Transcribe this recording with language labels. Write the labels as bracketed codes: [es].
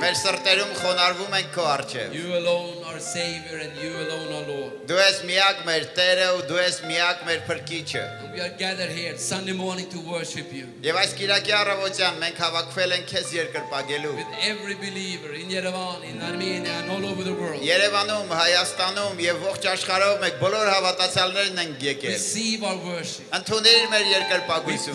[hy] Մեր սրտերում խոնարհվում ենք քո առջև. [en] You alone are Savior and you alone are Lord. [hy] Դու ես միակ մեր Տերը ու դու ես միակ մեր Փրկիչը. [en] We are gathered here Sunday morning to worship you. [hy] Եվ այս կիրակի առավոտյան մենք հավաքվել ենք քեզ երկրպագելու. [en] With every believer in Yerevan, in Armenia and all over the world. [hy] Երևանում, Հայաստանում եւ ողջ աշխարհում եք բոլոր հավատացյալներն ենք եկել. [en] Receive our worship. [hy] Ընդունիր մեր երկրպագույսը.